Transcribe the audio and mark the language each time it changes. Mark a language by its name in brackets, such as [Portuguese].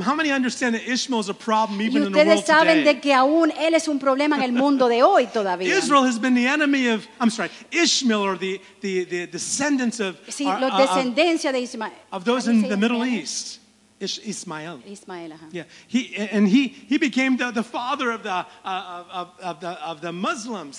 [English] How many understand that Ishmael is a problem even in the world today? [Spanish] Y ustedes saben de que aún él es un problema en el mundo de hoy todavía. [English] Israel has been the enemy of, I'm sorry, Ishmael or the descendants of, [Spanish] sí, los descendencia de Ismael. [English] Of those in the Middle East. Ishmael. Ishmael, uh-huh. Yeah, he became the father of the Muslims.